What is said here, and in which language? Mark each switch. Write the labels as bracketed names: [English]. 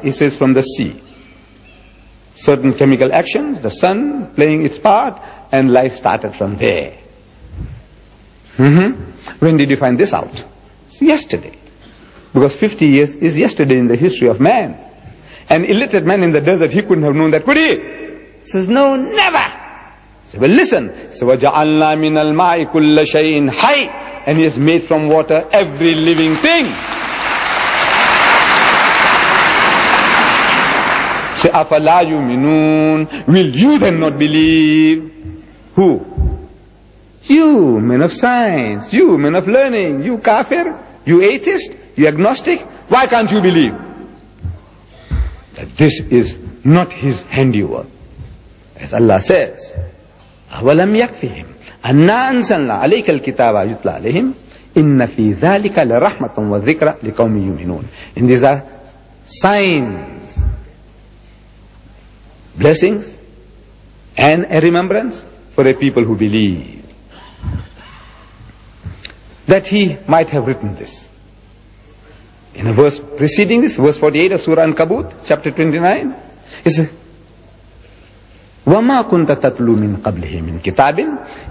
[English] He says, from the sea. Certain chemical actions, the sun playing its part, and life started from there. When did you find this out? It's yesterday. Because 50 years is yesterday in the history of man. An illiterate man in the desert, he couldn't have known that, could he? He says, no, never. He says, well, listen. He says, [Arabic] وَجَعَلْنَا مِنَ الْمَاءِ كُلَّ شَيْءٍ حَيٍّ. [English] And he has made from water every living thing. He says, [Arabic] أَفَلَا يُؤْمِنُونَ. [English] Will you then not believe? Who? You, men of science, you, men of learning, you kafir, you atheist, you agnostic, why can't you believe that this is not his handiwork? As Allah says, [Arabic] أَوَلَمْ يَكْفِهِمْ أَنَّا أَنْزَلْنَا عَلَيْكَ الْكِتَابَ يُتْلَى عَلَيْهِمْ إِنَّ فِي ذَلِكَ لَرَحْمَةً وَذِكْرَ لِقَوْمِ يُؤْمِنُونَ. [English] And these are signs, blessings, and a remembrance for a people who believe. That he might have written this. In a verse preceding this, verse 48 of Surah An-Kabut, chapter 29, he says, [Arabic] وَمَا كُنْتَ تَتْلُو مِنْ قَبْلِهِ مِنْ كِتَابٍ.